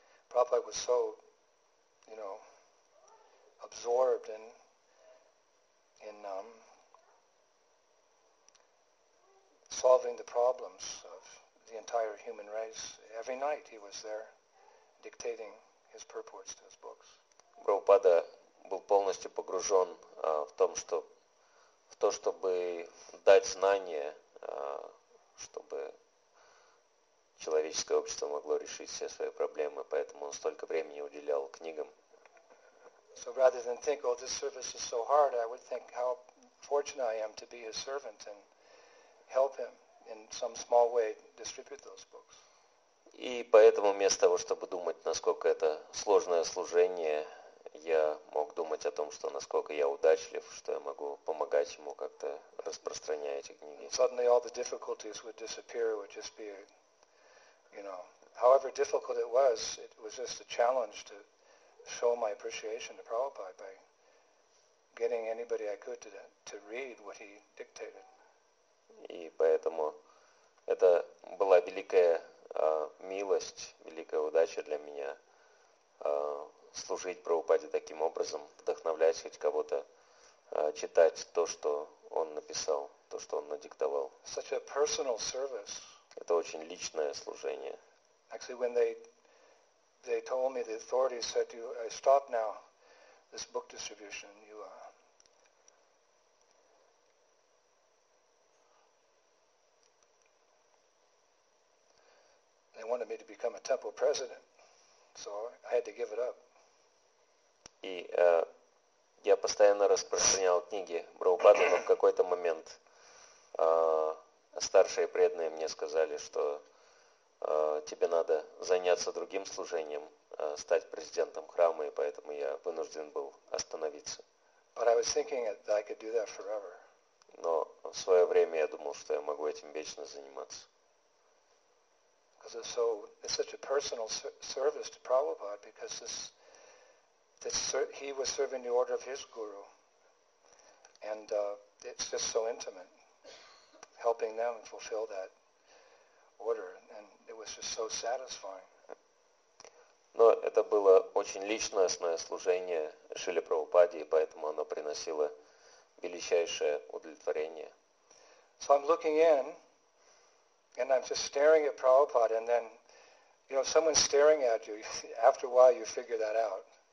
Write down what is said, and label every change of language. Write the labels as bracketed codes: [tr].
[en] Prabhupada was so, you know, absorbed in solving the problems of the entire human race. Every night he was there dictating his purports to his books. [ru] Prabhupada был полностью погружен в то, чтобы дать знания, чтобы человеческое общество могло решить все свои проблемы, поэтому он столько времени уделял книгам. [en] So rather than think, oh, this service is so hard, I would think how fortunate I am to be his servant and help him in some small way distribute those books. [ru] И поэтому вместо того, чтобы думать, насколько это сложное служение, я мог думать о том, что насколько я удачлив, что я могу помогать ему как-то распространяя эти книги. [en] And suddenly all the difficulties would disappear, it would just be you know, however difficult it was just a challenge to show my appreciation to Prabhupada by getting anybody I could to read what he dictated. [ru] И поэтому это была великая милость, великая удача для меня служить Прабхупаде таким образом, вдохновлять хоть кого-то читать то, что он написал, то, что он надиктовал. [en] Such a personal service. [ru] Это очень личное служение. [en] Actually, when they told me, the authorities said, "You, I stop now this book distribution. You are." They wanted me to become a temple president, so I had to give it up. [ru] И я постоянно распространял книги Прабхупады, но в какой-то момент. Старшие преданные мне сказали, что тебе надо заняться другим служением, стать президентом храма, и поэтому я вынужден был остановиться. [en] But I was thinking that I could do that forever. [ru] Но в свое время я думал, что я могу этим вечно заниматься. [en] Because it's so, it's such a personal service to Prabhupada, because he was serving the order of his guru, and it's just so intimate. Helping them fulfill that order, and it was just so satisfying. [ru] Но это было очень личностное служение Шриле Прабхупаде, поэтому оно приносило величайшее удовлетворение. [en] So I'm looking in, and I'm just staring at Prabhupada, and then, you know, someone's staring at you. After a while, you figure that out.